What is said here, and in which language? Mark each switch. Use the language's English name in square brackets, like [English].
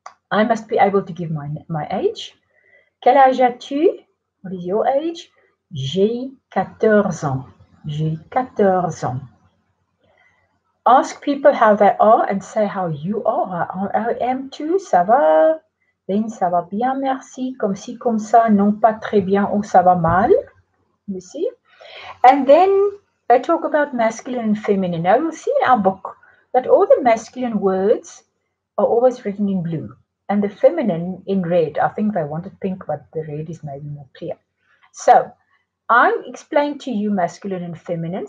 [English] I must be able to give my age. [French] Quel âge as-tu? [English] What is your age? [French] J'ai 14 ans. J'ai 14 ans. [English] Ask people how they are and say how you are. How am I? [French] Ça va? [English] Then [French] ça va bien, merci. Comme si, comme ça, non pas très bien ou ça va mal. [English] You see? And then they talk about masculine and feminine. Now you'll see in our book that all the masculine words are always written in blue. And the feminine in red. I think they wanted pink, but the red is maybe more clear. So, I explained to you masculine and feminine.